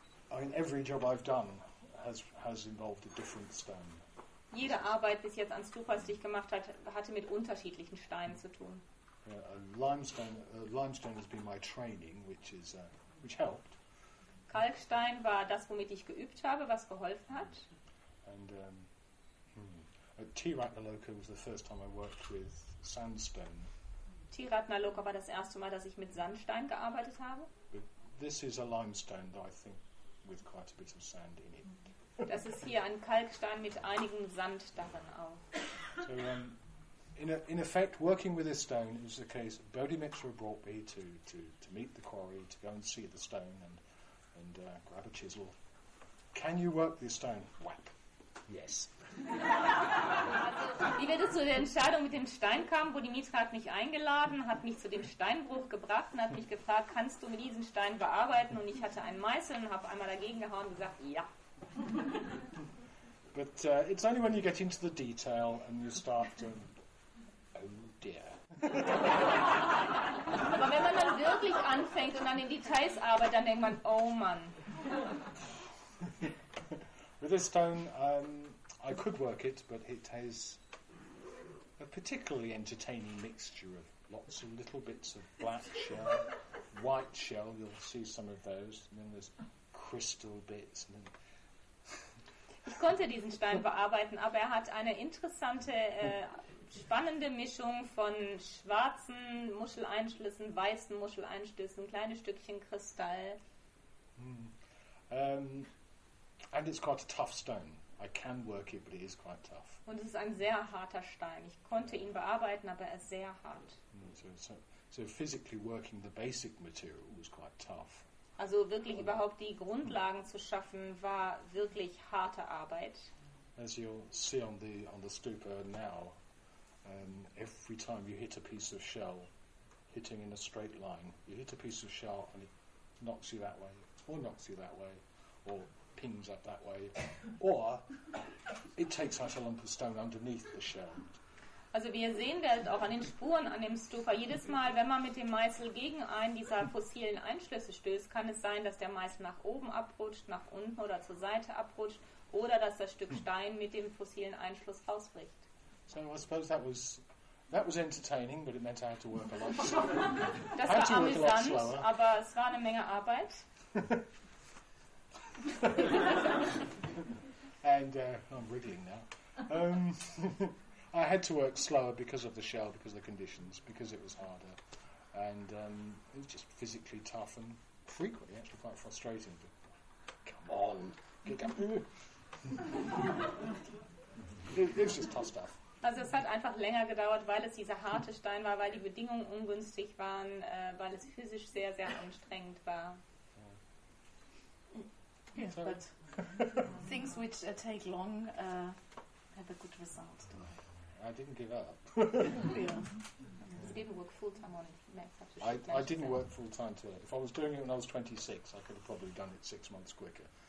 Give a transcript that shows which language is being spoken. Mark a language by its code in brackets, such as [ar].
[en] I mean, every job I've done has involved a different stone. [de] Jede Arbeit bis jetzt an Stupas, die ich gemacht hat, hatte mit unterschiedlichen Steinen zu tun. [en] Limestone has been my training, which helped. [de] Kalkstein war das, womit ich geübt habe, was geholfen hat. [en] And Tiratnaloka was the first time I worked with sandstone. [de] Tiratnaloka war das erste Mal, dass ich mit Sandstein gearbeitet habe. [en] But this is a limestone, though I think with quite a bit of sand in it. [de] Das ist hier ein Kalkstein mit einigem Sand darin auch. [en] So, in effect, working with this stone is the case. Bodhi Mitra brought me to meet the quarry, to go and see the stone and grab a chisel. Can you work this stone? Whack. Yes. [de] Wie wir zu der Entscheidung mit dem Stein kamen, Bodhi Mitra hat mich eingeladen, hat mich zu dem Steinbruch gebracht und hat mich gefragt, kannst du mit diesem Stein bearbeiten? Und ich hatte einen Meißel und habe einmal dagegen gehauen und gesagt, ja. [en] But it's only when you get into the detail and you start to, oh dear. [de] Aber wenn man dann wirklich anfängt und dann in Details arbeitet, dann denkt man, oh man. [en] With this stone, I could work it, but it has a particularly entertaining mixture of lots of little bits of black shell, white shell. You'll see some of those, and then there's crystal bits and. Then [de] ich konnte diesen Stein bearbeiten, aber er hat eine interessante, spannende Mischung von schwarzen Muscheleinschlüssen, weißen Muscheleinschlüssen, kleine Stückchen Kristall. [en] And it's quite a tough stone. I can work it, but it is quite tough. [de] Und es ist ein sehr harter Stein. Ich konnte ihn bearbeiten, aber er ist sehr hart. [en] So physically working the basic material was quite tough. [de] Also wirklich überhaupt die Grundlagen zu schaffen, war wirklich harte Arbeit. [en] As you'll see on the stupa now, every time you hit a piece of shell, hitting in a straight line, you hit a piece of shell and it knocks you that way, or knocks you that way, or pings up that way, or it takes out a lump of stone underneath the shell. [de] Also wir sehen das auch an den Spuren an dem Stupa. Jedes Mal, wenn man mit dem Meißel gegen einen dieser fossilen Einschlüsse stößt, kann es sein, dass der Meißel nach oben abrutscht, nach unten oder zur Seite abrutscht oder dass das Stück Stein mit dem fossilen Einschluss ausbricht. [en] So I suppose that was entertaining, but it meant I had to work a lot. [de] Das war amüsant, aber es war eine Menge Arbeit. [en] And I'm wriggling now. I had to work slower because of the shell, because of the conditions, because it was harder. And it was just physically tough and frequently, actually quite frustrating. But come on. It's just tough stuff. [de] Also es hat einfach länger gedauert, weil es dieser harte Stein war, weil die Bedingungen ungünstig waren, weil es physisch sehr, sehr anstrengend war. [en] Yes, but things which take long have a good result. I didn't give up. Yeah. Didn't work full time on it. I didn't work full time to it. If I was doing it when I was 26, I could have probably done it 6 months quicker.